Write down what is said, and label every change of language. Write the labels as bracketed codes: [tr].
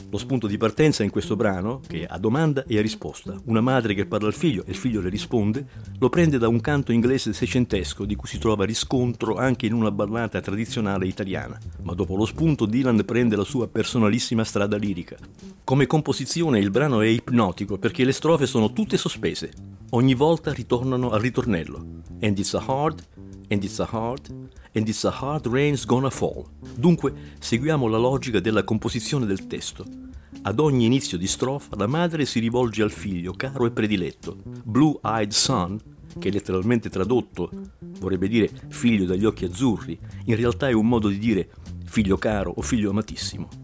[it] lo spunto di partenza in questo brano, che a domanda e a risposta, una madre che parla al figlio e il figlio le risponde, lo prende da un canto inglese seicentesco di cui si trova riscontro anche in una ballata tradizionale italiana. Ma dopo lo spunto Dylan prende la sua personalissima strada lirica. Come composizione il brano è ipnotico perché le strofe sono tutte sospese. Ogni volta ritornano al ritornello. [en] And it's a hard, and it's a hard, and it's a hard rain's gonna fall. [it] Dunque, seguiamo la logica della composizione del testo. Ad ogni inizio di strofa, la madre si rivolge al figlio, caro e prediletto. [en] Blue-eyed son, [it] che letteralmente tradotto vorrebbe dire figlio dagli occhi azzurri, in realtà è un modo di dire figlio caro o figlio amatissimo.